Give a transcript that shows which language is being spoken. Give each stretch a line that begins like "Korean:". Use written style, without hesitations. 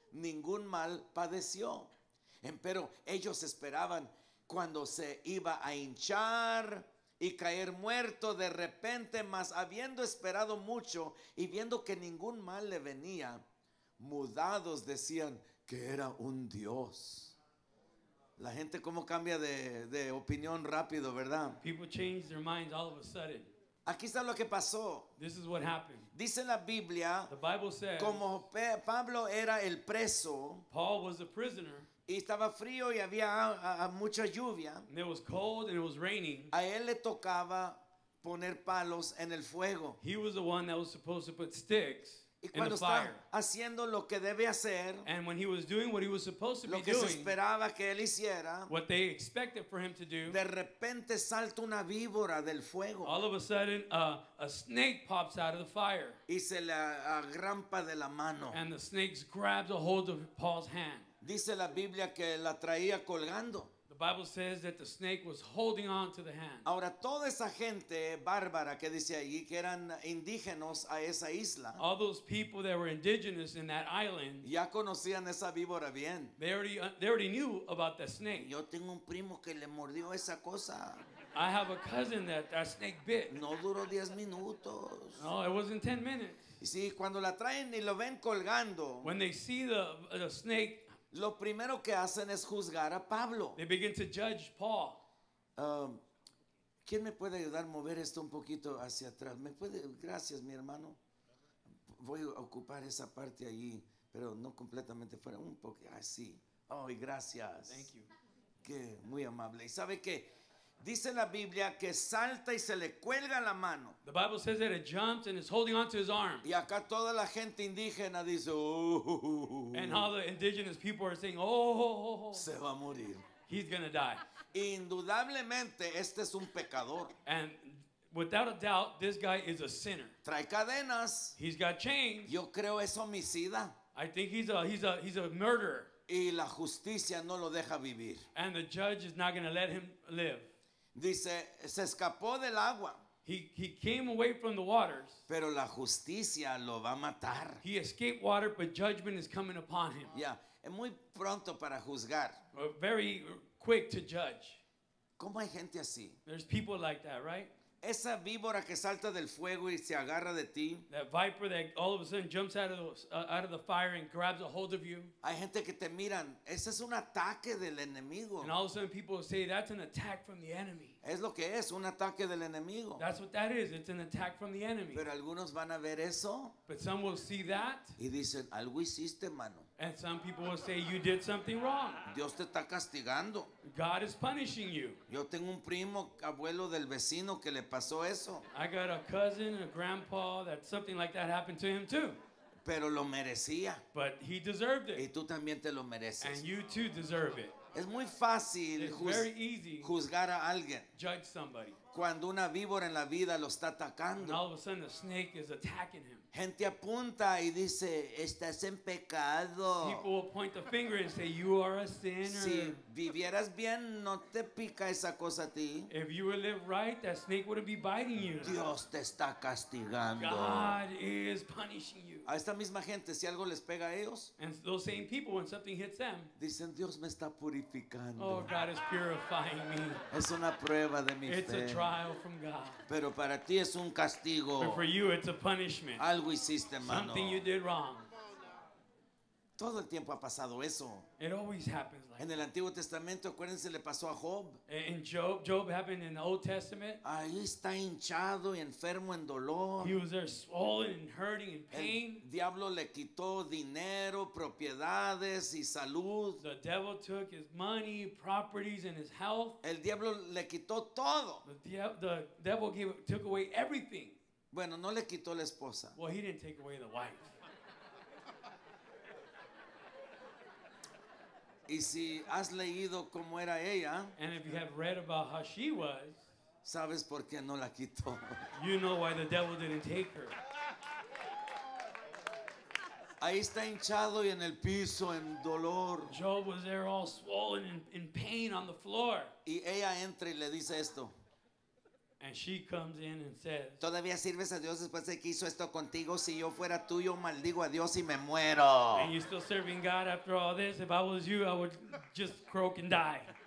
Spanish: ningún mal padeció. Empero ellos esperaban cuando se iba a hinchar y caer muerto de repente, mas habiendo esperado mucho y viendo que ningún mal le venía, mudados decían que era un dios. La gente como cambia de opinión rápido, ¿verdad?
English: People change their minds all of a sudden.
Spanish: Aquí está lo que pasó.
English: This is what happened.
Spanish: Dice la Biblia,
English: the Bible says,
Spanish: como Pablo era el preso,
English: Paul was a prisoner,
Spanish: y estaba frío y había mucha lluvia,
English: and it was cold and it was raining,
Spanish: a él le tocaba poner palos en el fuego.
English: He was the one that was supposed to put sticks.
Spanish: Y cuando está haciendo lo que debe hacer,
English: and when he was doing what he was supposed to be doing,
Spanish: lo que se esperaba que él hiciera,
English: what they expected for him to do,
Spanish: de repente salta una víbora del fuego.
English: All of a sudden, a snake pops out of the fire.
Spanish: Y se le agrampa de la mano.
English: And the snake grabs a hold of Paul's hand.
Spanish: Dice la Biblia que la traía colgando.
English: The Bible says that the snake was holding on to the hand.
Spanish: Ahora toda esa gente bárbara que dice allí que eran indígenas a esa isla.
English: All those people that were indigenous in that island.
Spanish: Ya conocían esa víbora bien.
English: They already knew about the snake.
Spanish: Yo tengo un primo que le mordió esa cosa.
English: I have a cousin that snake bit.
Spanish: No duró 10 minutos.
English: No, it wasn't 10 minutes.
Spanish: Y sí, cuando la traen y lo ven colgando.
English: When they see the snake,
Spanish: lo primero que hacen es juzgar a Pablo.
English: They begin to judge Paul.
Spanish: ¿Quién me puede ayudar a mover esto un poquito hacia atrás? ¿Me puede? Gracias, mi hermano. Voy a ocupar esa parte allí, pero no completamente fuera. Un poco así. Oh, y gracias.
English: Thank you.
Spanish: Qué muy amable. ¿Y sabe qué? Dice la Biblia que salta y se le cuelga la mano.
English: The Bible says that it jumps and it's holding onto his arm.
Spanish: Y acá toda la gente indígena dice, oh.
English: And all the indigenous people are saying, oh.
Spanish: Se va a morir.
English: He's going to die.
Spanish: Indudablemente, este es un pecador.
English: And without a doubt, this guy is a sinner.
Spanish: Trae cadenas.
English: He's got chains.
Spanish: Yo creo es homicida.
English: I think he's a murderer.
Spanish: Y la justicia no lo deja vivir.
English: And the judge is not going to let him live.
Spanish: Dice, se escapó del agua.
English: He came away from the waters.
Spanish: Pero la justicia lo va a matar.
English: He escaped water, but judgment is coming upon him.
Spanish: Yeah, es muy pronto para juzgar.
English: Very quick to judge.
Spanish: ¿Cómo hay gente así?
English: There's people like that, right?
Spanish: Esa víbora que salta del fuego y se agarra de ti.
English: That viper that all of a sudden jumps out of the fire and grabs a hold of you.
Spanish: Hay gente que te miran. Ese es un ataque del enemigo.
English: And all of a sudden people say that's an attack from the enemy.
Spanish: Es lo que es, un ataque del enemigo.
English: That's what that is. It's an attack from the enemy.
Spanish: Pero algunos van a ver eso.
English: But some will see that.
Spanish: Y dicen, algo hiciste, mano.
English: And some people will say you did something wrong.
Spanish: Dios te está castigando.
English: God is punishing you.
Spanish: Yo tengo un primo, abuelo del vecino que le pasó eso.
English: I got a cousin, a grandpa that something like that happened to him too.
Spanish: Pero lo merecía.
English: But he deserved it.
Spanish: Y tú también te lo mereces.
English: And you too deserve it.
Spanish: Es muy fácil juzgar a alguien.
English: Judge somebody.
Spanish: Cuando una víbora en la vida lo está atacando.
English: And all of a sudden a snake is attacking him.
Spanish: Gente apunta y dice, estás en pecado.
English: People will point the finger and say, you are a sinner.
Spanish: Si vivieras bien, no te pica esa cosa a ti.
English: If you would live right, that snake wouldn't be biting you.
Spanish: Dios te está castigando.
English: God is punishing you.
Spanish: A esta misma gente, si algo les pega a ellos.
English: And those same people, when something hits them.
Spanish: Dicen, Dios me está purificando.
English: Oh, God is purifying me.
Spanish: Es una prueba de mi
English: it's
Spanish: fe.
English: Trial from God.
Spanish: Pero para ti es un castigo.
English: But for you, it's a punishment.
Spanish: Algo hiciste, mano.
English: Something you did wrong.
Spanish: Todo el tiempo ha pasado eso.
English: It always happens like
Spanish: en el Antiguo Testamento, acuérdense, le pasó a Job.
English: In Job happened in the Old Testament.
Spanish: Ahí está hinchado y enfermo en dolor.
English: He was there swollen and hurting in pain.
Spanish: El diablo le quitó dinero, propiedades y salud.
English: The devil took his money, properties, and his health.
Spanish: El diablo le quitó todo.
English: The devil took away everything.
Spanish: Bueno, no le quitó la esposa.
English: Well, he didn't take away the wife.
Spanish: Y si has leído cómo era ella,
English: and if you have read about how she was,
Spanish: sabes por qué no la quitó.
English: You know why the devil didn't take her.
Spanish: Ahí está hinchado y en el piso en dolor.
English: Job was there all swollen in pain on the floor.
Spanish: Y ella entra y le dice esto.
English: And she comes in and says,
Spanish: ¿todavía sirves a Dios después de que hizo esto contigo? Si yo fuera tú, yo maldigo a Dios y me muero.
English: And you're still serving God after all this? If I was you, I would just croak and die.